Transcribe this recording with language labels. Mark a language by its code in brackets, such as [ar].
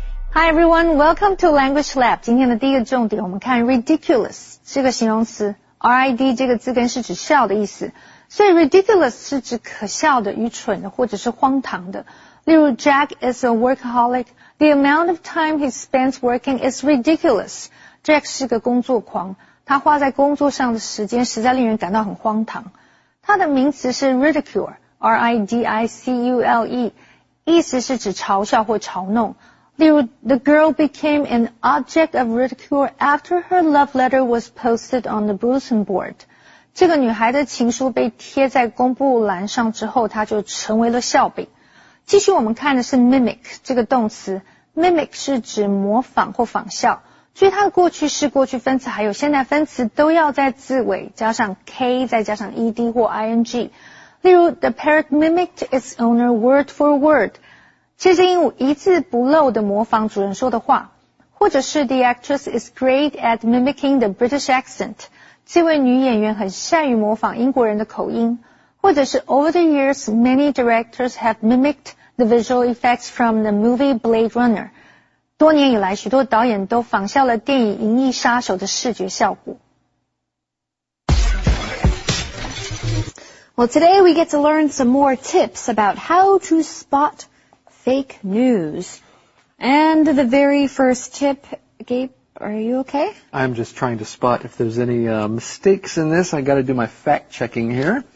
[en] Hi everyone, welcome to Language Lab. [zh] 今天的第一个重点我们看 ridiculous 这个形容词 RID 这个字根是指笑的意思，所以 ridiculous 是指可笑的、愚蠢的或者是荒唐的。例如 [en] Jack is a workaholic. The amount of time he spends working is ridiculous. [zh] Jack 是个工作狂，他花在工作上的时间实在令人感到很荒唐。他的名词是 ridicule, R-I-D-I-C-U-L-E, 意思是指嘲笑或嘲弄。例如 [en] The girl became an object of ridicule after her love letter was posted on the bulletin board. [zh] 这个女孩的情书被贴在公布栏上之后，她就成为了笑柄。继续我们看的是 mimic 这个动词。mimic 是指模仿或仿效。注意它的过去式、过去分词还有现在分词都要在字尾加上 k 再加上 ed 或 ing。例如 [en] The parrot mimicked its owner word for word. [zh] 这只鹦鹉一字不漏地模仿主人说的话，或者是 [en] The actress is great at mimicking the British accent. [zh] 这位女演员很善于模仿英国人的口音，或者是 [en] Over the years, many directors have mimicked the visual effects from the movie Blade Runner. [zh] 多年以来，许多导演都仿效了电影《银翼杀手》的视觉效果。 [en] Well, today we get to learn some more tips about how to spot. Fake news. And the very first tip, Gabe, are you okay? I'm just trying to spot if there's any mistakes in this. I got to do my fact checking here.